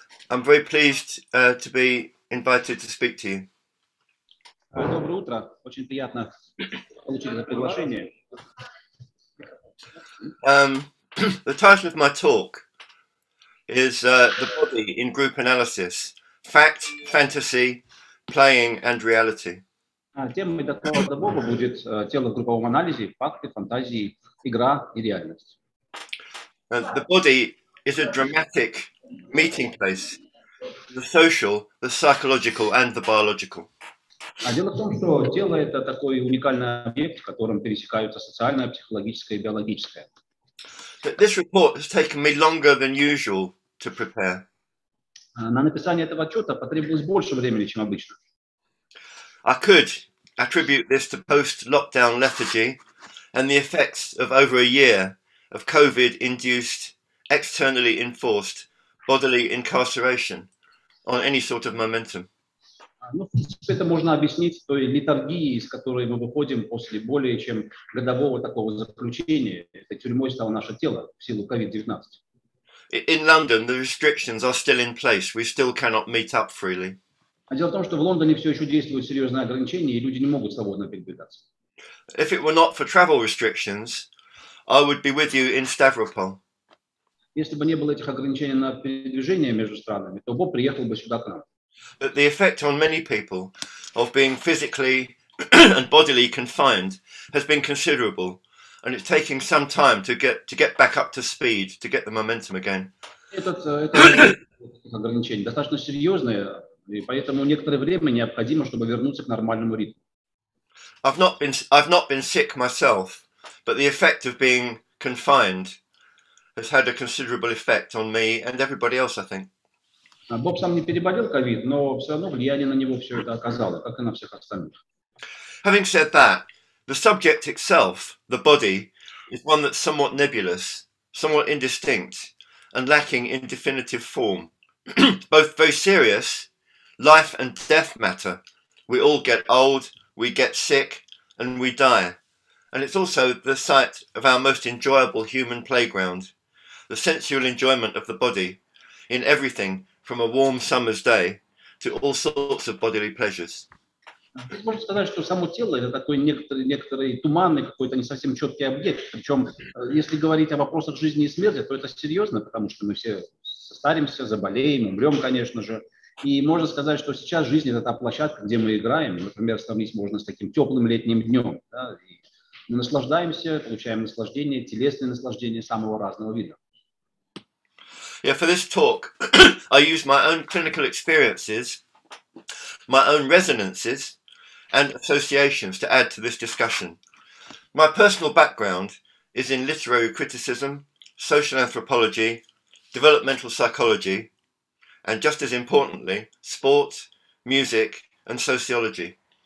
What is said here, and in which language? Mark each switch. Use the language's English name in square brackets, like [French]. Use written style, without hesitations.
[English] I'm very pleased to be invited to speak to you. [Russian] Доброе утро. Очень приятно получить это приглашение. [English] The title of my talk is The Body in Group Analysis: Fact, Fantasy, Playing and Reality. [Russian] Темой доклада Боба будет тело в групповом анализе, факты, фантазии, игра и реальность. [English] The body is a dramatic meeting place, the social, the psychological, and the biological. [Russian] А дело в том, что тело — это такой уникальный объект, в котором пересекаются социальное, психологическое и биологическое. [English] This report has taken me longer than usual to prepare. [Russian] На написание этого отчета потребовалось больше времени, чем обычно. [English] I could attribute this to post-lockdown lethargy and the effects of over a year of COVID-induced, externally enforced bodily incarceration on any sort of momentum. [Russian] Ну, в принципе, это можно объяснить той литургией, из которой мы выходим после более чем годового такого заключения. Это тюрьмой стало наше тело в силу COVID-19. [English] In London, the restrictions are still in place. We still cannot meet up freely. [Russian] Дело в том, что в Лондоне все еще действуют серьезные ограничения, и люди не могут свободно передвигаться. [English] If it were not for travel restrictions, I would be with you in Stavropol. [Russian] Если бы не было этих ограничений на передвижение между странами, то Боб приехал бы сюда к нам. [English] But the effect on many people of being physically and bodily confined has been considerable, and it's taking some time to get back up to speed, to get the momentum again. [Russian] Это ограничение достаточно серьезное, и поэтому некоторое время необходимо, чтобы вернуться к нормальному ритму. [English] I've not been sick myself, but the effect of being confined has had a considerable effect on me and everybody else, I think. [Russian] Боб сам не переболел COVID, но все равно влияние на него все это оказало, как и на всех остальных. [English] Having said that, the subject itself, the body, is one that's somewhat nebulous, somewhat indistinct, and lacking in definitive form. Both very serious, life and death matter. We all get old, we get sick, and we die. And it's also the site of our most enjoyable human playground, the sensual enjoyment of the body in everything from a warm summer's day to all sorts of bodily pleasures. [Russian] Можно сказать, что само тело — это такой некоторый туманный, какой-то не совсем четкий объект. Причем, если говорить о вопросах жизни и смерти, то это серьезно, потому что мы все состаримся, заболеем, умрем, конечно же. И можно сказать, что сейчас жизнь — это та площадка, где мы играем. Например, сравнить можно с таким теплым летним днем. Да? И мы наслаждаемся, получаем наслаждение, телесное наслаждение самого разного вида. [English] Yeah, for this talk, I use my own clinical experiences, my own resonances and associations to add to this discussion. My personal background is in literary criticism, social anthropology, developmental psychology, and just as importantly, sport, music and sociology.